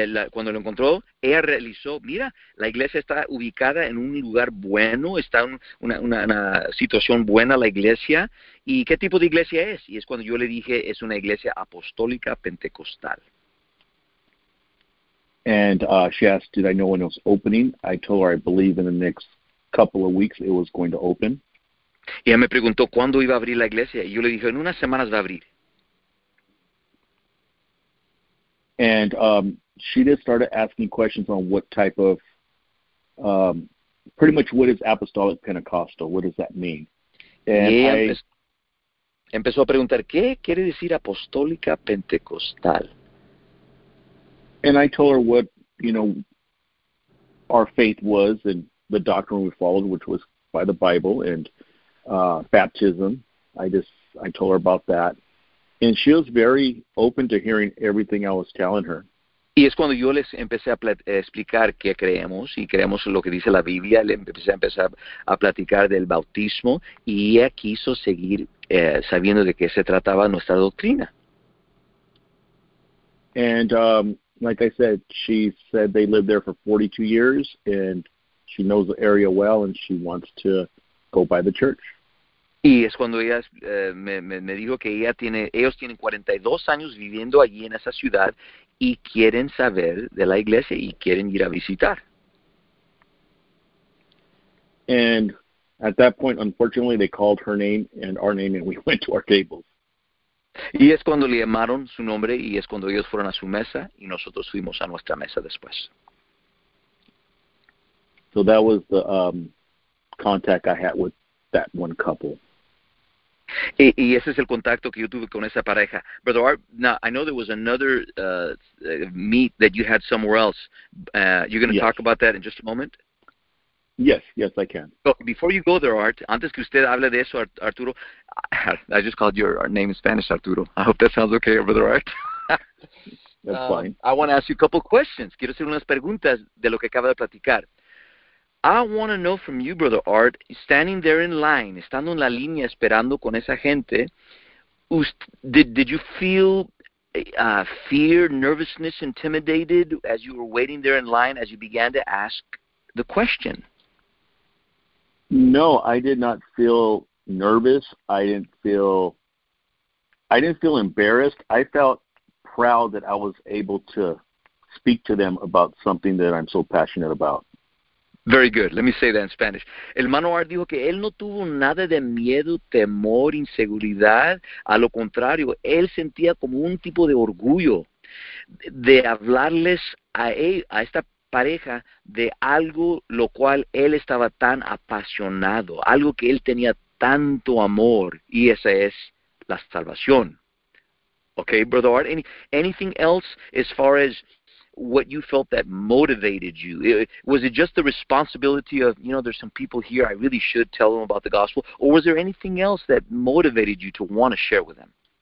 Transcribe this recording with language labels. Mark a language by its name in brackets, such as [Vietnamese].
[Spanish] Cuando lo encontró, ella realizó, mira, la iglesia está ubicada en un lugar bueno, está en una situación buena la iglesia. ¿Y qué tipo de iglesia es? Y es cuando yo le dije, es una iglesia apostólica pentecostal. [English] And she asked, did I know when it was opening? I told her, I believe in the next couple of weeks it was going to open. [Spanish] Ella me preguntó cuándo iba a abrir la iglesia y yo le dije, en unas semanas va a abrir. [English] And she just started asking questions on what type of, pretty much what is Apostolic Pentecostal? What does that mean? And [Spanish] Y ella [English] I. [Spanish] empezó a preguntar, ¿qué quiere decir apostólica pentecostal? [English] And I told her what, our faith was and the doctrine we followed, which was by the Bible and baptism. I told her about that. And she was very open to hearing everything I was telling her. [Spanish] Y es cuando yo les empecé a explicar qué creemos y creemos en lo que dice la Biblia, le empecé a platicar del bautismo y ella quiso seguir sabiendo de qué se trataba nuestra doctrina. [English] And, like I said, she said they lived there for 42 years and she knows the area well and she wants to go by the church. [Spanish] Y es cuando ella me dijo que ellos tienen 42 años viviendo allí en esa ciudad y quieren saber de la iglesia y quieren ir a visitar. [English] And at that point, unfortunately, they called her name and our name and we went to our tables. [Spanish] Y es cuando le llamaron su nombre y es cuando ellos fueron a su mesa y nosotros fuimos a nuestra mesa después. [English] So that was the contact I had with that one couple. [Spanish] Y ese es el contacto que yo tuve con esa pareja. [English] Brother Art, now I know there was another meet that you had somewhere else. You're going to Yes. talk about that in just a moment. Yes, I can. But before you go there, Art, [Spanish] antes que usted hable de eso, [English] Arturo, I just called your name in Spanish, Arturo. I hope that sounds okay, Brother Art. That's fine. I want to ask you a couple questions. [Spanish] Quiero hacer unas preguntas de lo que acaba de platicar. [English] I want to know from you, Brother Art, standing there in line, [Spanish] estando en la línea esperando con esa gente, [English] did you feel fear, nervousness, intimidated as you were waiting there in line as you began to ask the question? No, I did not feel nervous. I didn't feel embarrassed. I felt proud that I was able to speak to them about something that I'm so passionate about. Very good. Let me say that in Spanish. [Spanish] El hermano Art dijo que él no tuvo nada de miedo, temor, inseguridad. A lo contrario, él sentía como un tipo de orgullo de hablarles a esta pareja de algo lo cual él estaba tan apasionado, algo que él tenía tanto amor, y esa es la salvación [English] Okay, Brother Art, anything else as far as what you felt that motivated you? Was it just the responsibility of, you know, there's some people here, I really should tell them about the gospel? Or was there anything else that motivated you to want to share with them?